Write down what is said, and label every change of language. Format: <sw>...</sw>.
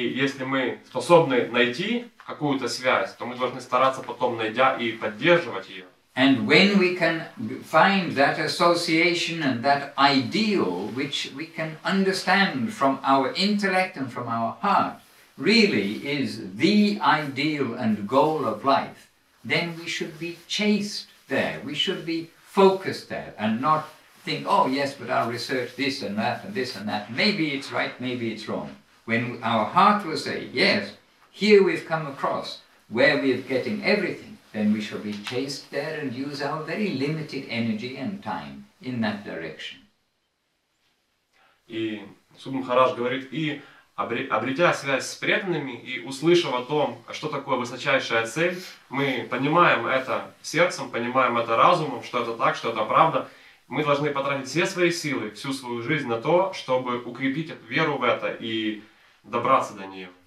<ru>если мы способны найти какую-то связь, то мы должны стараться потом, найдя, и поддерживать ее.</ru> <en>And when we can find that association and that ideal, which we can understand from our intellect and from our heart, really is the ideal and goal of life, then we should be chased there, we should be focused there, and not think, oh yes, but I'll research this and that and this and that, maybe it's right, maybe it's wrong. When our heart will say, yes, here we've come across where we're getting everything, then we shall be chased there and use our very limited energy and time in that direction.</en> <ru>И Субху Махарадж говорит, и обретя связь с преданными и услышав о том, что такое высочайшая цель, мы понимаем это сердцем, понимаем это разумом, что это так, что это правда. Мы должны потратить все свои силы, всю свою жизнь на то, чтобы укрепить веру в это и добраться до нее.</ru>